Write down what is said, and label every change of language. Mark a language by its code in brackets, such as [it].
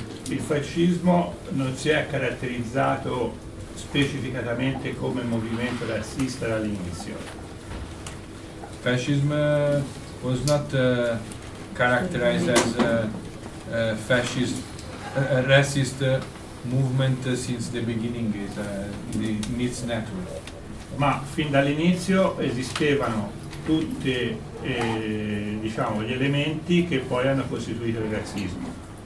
[it] Il fascismo non si è caratterizzato specificatamente come movimento razzista dall'inizio. [en] Fascism was not characterized as fascist racist movement since the beginning in its network. [it] Ma fin dall'inizio esistevano tutti diciamo gli elementi che poi hanno costituito il razzismo.